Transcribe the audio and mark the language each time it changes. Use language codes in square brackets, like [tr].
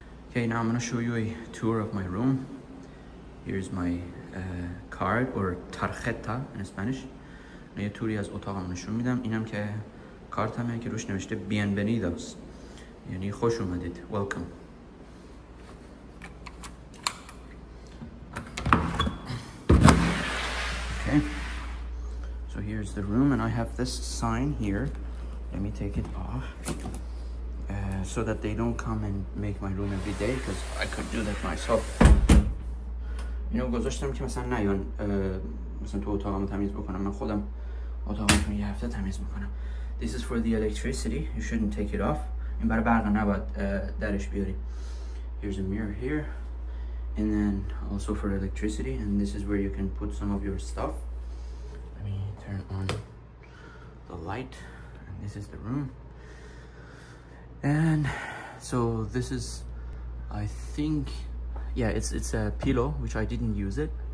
[en] Okay, now I'm going to show you a tour of my room. Here's my card or tarjeta in Spanish. [fa] من یه توری از اتاقم نشون میدم. اینم که کارت همه که روش نوشته bienvenidos یعنی خوش اومدید. [en] Welcome. Okay. So here's the room and I have this sign here. Let me take it off. So that they don't come and make my room every day because I could do that myself. You know, [fa] گذاشتم که مثلا نیان مثلا تو اتاقمو تمیز بکنم. من خودم اتاقمو یه هفته تمیز میکنم. [en] This is for the electricity. You shouldn't take it off. [fa] این برای برق نه باید درش بیاری. [en] Here's a mirror here. And then also for electricity. And this is where you can put some of your stuff. Let me turn on the light. And this is the room. And so this is, I think, yeah, it's a pillow, which I didn't use it.